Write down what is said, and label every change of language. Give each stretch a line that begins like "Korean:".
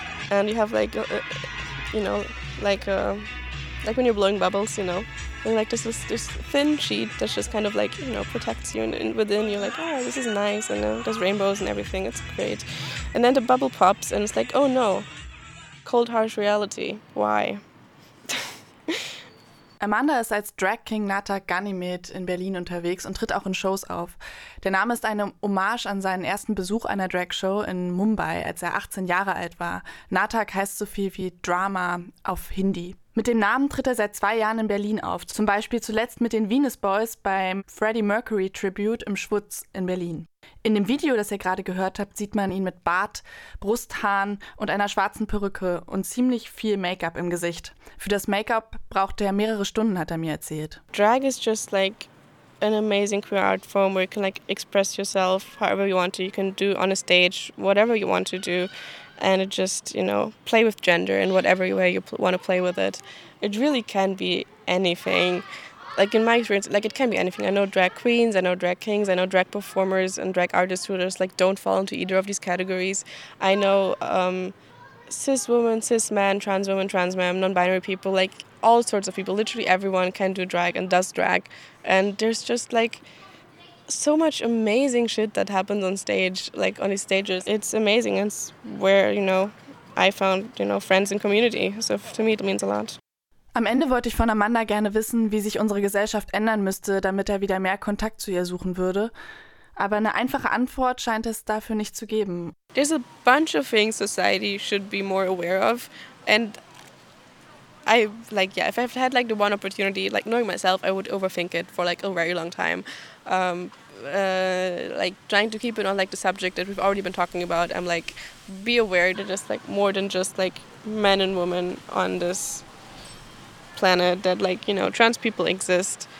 English: And you have like, you know, like when you're blowing bubbles, you know. And like this thin sheet that just kind of like, you know, protects you. And within, you're like, oh, this is nice. And there's rainbows and everything. It's great. And then the bubble pops and it's like, oh no, cold, harsh reality. Why?
German: Amanda ist als Drag King Nata Ganymede in Berlin unterwegs und tritt auch in Shows auf. Der Name ist eine Hommage an seinen ersten Besuch einer Drag Show in Mumbai, als er 18 Jahre alt war. Natak heißt so viel wie Drama auf Hindi. Mit dem Namen tritt er seit 2 Jahren in Berlin auf, zum Beispiel zuletzt mit den Venus Boys beim Freddie Mercury Tribute im Schwutz in Berlin. In dem Video, das ihr gerade gehört habt, sieht man ihn mit Bart, Brusthaaren und einer schwarzen Perücke und ziemlich viel Make-up im Gesicht. Für das Make-up brauchte er mehrere Stunden, hat er mir erzählt.
English: Drag is just like an amazing queer art form where you can like express yourself however you want to. You can do on a stage whatever you want to do. And it just, you know, play with gender in whatever way you want to play with it. It really can be anything. Like in my experience, like it can be anything. I know drag queens, I know drag kings, I know drag performers and drag artists who just like don't fall into either of these categories. I know cis women, cis men, trans women, trans men, non-binary people, like all sorts of people. Literally everyone can do drag and does drag. And there's just like so much amazing shit that happens on stage, like on these stages. It's amazing. It's where, you know, I found, you know, friends and community. So to me it means a lot.
German: Am Ende wollte ich von Amanda gerne wissen, wie sich unsere Gesellschaft ändern müsste, damit er wieder mehr Kontakt zu ihr suchen würde. Aber eine einfache Antwort scheint es dafür nicht zu geben.
English: There's a bunch of things society should be more aware of. And I, like, yeah, if I've had, like, the one opportunity, like, knowing myself, I would overthink it for, like, a very long time. Like, trying to keep it on, like, the subject that we've already been talking about, I'm, like, be aware that it's, like, more than just, like, men and women on this planet, that like, you know, trans people exist.